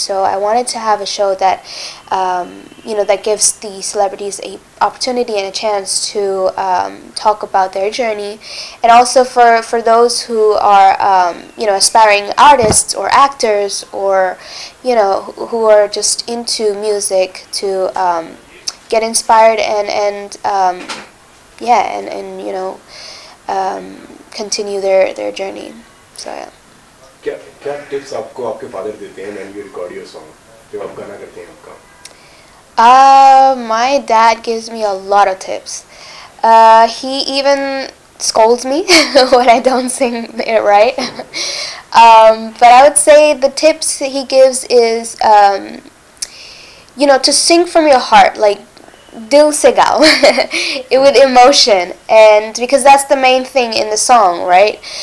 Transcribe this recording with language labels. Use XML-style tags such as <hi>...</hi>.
<en>So I wanted to have a show that you know, that gives the celebrities a opportunity and a chance to talk about their journey, and also for those who are you know, aspiring artists or actors, or you know, who are just into music, to get inspired and yeah, and you know, continue their journey. So yeah. What tips</en> <hi>आपको आपके father देते हैं</hi> <en>when you record your song,</en> <hi>जब आप गाना करते हैं आपका?</hi> <en>My dad gives me a lot of tips. He even scolds me when I don't sing it right. But I would say the tips that he gives is, you know, to sing from your heart, like</en> <hi>dil se gao,</hi> <en>it with emotion, and because that's the main thing in the song, right?</en>